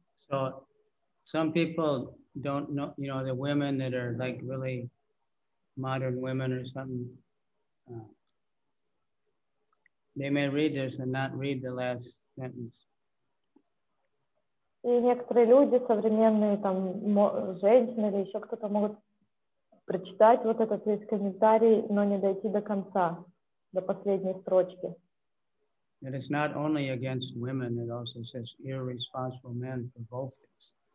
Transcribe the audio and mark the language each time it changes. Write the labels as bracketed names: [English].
[English] So some people don't know, you know, the women that are like really modern women or something, they may read this and not read the last sentence. [Russian] И некоторые люди, современные там женщины или еще кто-то, могут прочитать вот этот весь комментарий, но не дойти до конца, до последней строчки. [English] And it's not only against women, it also says irresponsible men provoke this.